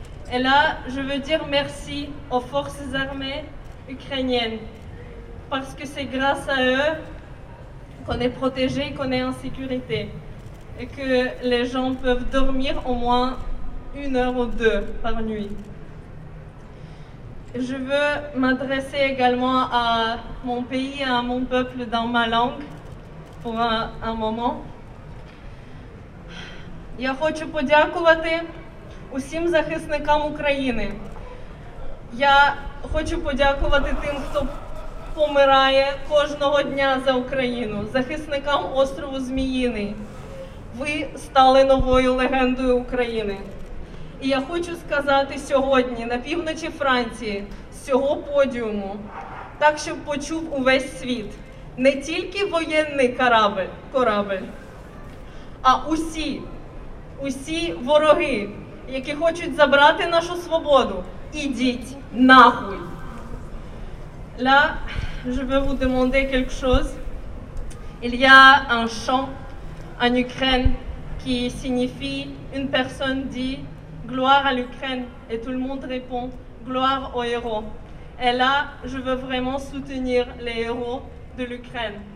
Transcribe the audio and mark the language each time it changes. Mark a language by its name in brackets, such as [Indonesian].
[French] Et là, je veux dire merci aux forces armées ukrainiennes, parce que c'est grâce à eux qu'on est protégé, qu'on est en sécurité et que les gens peuvent dormir au moins une heure ou deux par nuit. Je veux m'adresser également à mon pays et à mon peuple dans ma langue pour un moment. [Ukrainian] Я хочу подякувати усім захисникам України. Я хочу подякувати тим, хто помирає кожного дня за Україну, захисникам острову Зміїний. Ви стали новою легендою України. І я хочу сказати сьогодні на півночі Франції, з цього подіуму, так, щоб почув увесь світ, не тільки воєнний корабель, а усі вороги, які хочуть забрати нашу свободу, ідіть нахуй. Ля... [French] Je veux vous demander quelque chose. Il y a un chant en Ukraine qui signifie une personne dit « Gloire à l'Ukraine » et tout le monde répond « Gloire aux héros ». Et là, je veux vraiment soutenir les héros de l'Ukraine.